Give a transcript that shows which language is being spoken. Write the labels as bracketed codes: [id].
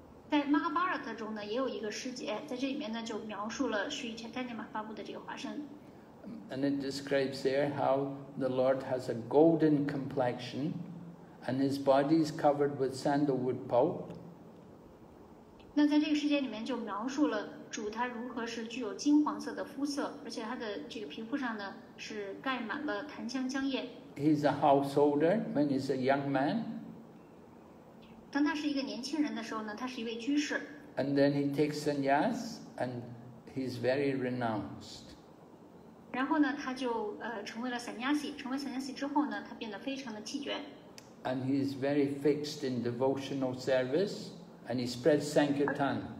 [zh] 在 Mahabharat 中呢，也有一个诗节，在这里面呢就描述了 Sri Chaitanya Mahaprabhu 的这个化身。 [en] And it describes there how the Lord has a golden complexion, and his body is covered with sandalwood pulp. [zh] 那在这个诗节里面就描述了主他如何是具有金黄色的肤色，而且他的这个皮肤上呢是盖满了檀香浆液。 [en] He's a householder when he's a young man. [zh] 当他是一个年轻人的时候呢，他是一位居士。 [en] And then he takes sannyas, and he's very renounced. [zh] 然后呢，他就成为了 sannyasi。成为 sannyasi 之后呢，他变得非常的气绝。 [en] And he is very fixed in devotional service, and he spreads sankirtan.